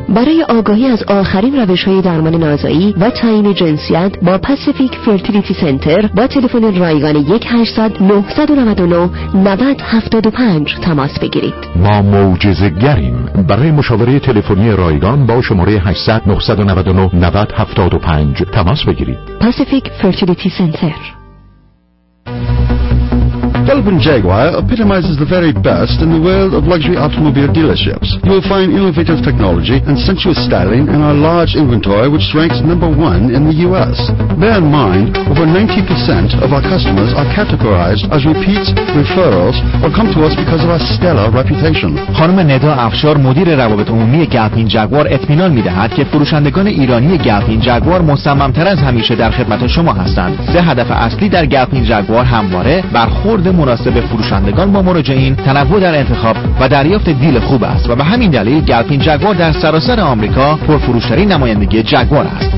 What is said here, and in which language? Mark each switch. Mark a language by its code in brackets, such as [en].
[fa] برای آگاهی از آخرین روش‌های درمان نازایی و تعیین جنسیت با پاسیفیک فرتیلیتی سنتر با تلفن رایگان 1-800-999-9075 تماس بگیرید. ما معجزه‌گریم. برای مشاوره تلفنی رایگان با شماره 800-999-9075 تماس بگیرید. پاسیفیک فرتیلیتی سنتر. [en] Kelvin Jaguar epitomizes the very best in the world of luxury automobile dealerships. You will find innovative technology and sensuous styling in our large inventory, which ranks number one in the U.S. Bear in mind, over 90% of our customers are categorized as repeats, referrals, or come to us because of our stellar reputation. [fa] خانم ندا افشار، مدیر روابط عمومی گلفین جگوار، اطمینان می‌دهد که فروشندگان ایرانی گلفین جگوار مصمم‌تر از همیشه در خدمت شما هستند. سه هدف اصلی در گلفین جگوار همواره برخورد مناسب فروشندگان با مراجعین، تنوع در انتخاب و دریافت دیل خوب است و به همین دلیل گلفین جگوار در سراسر آمریکا پرفروش‌ترین نمایندگی جگوار است.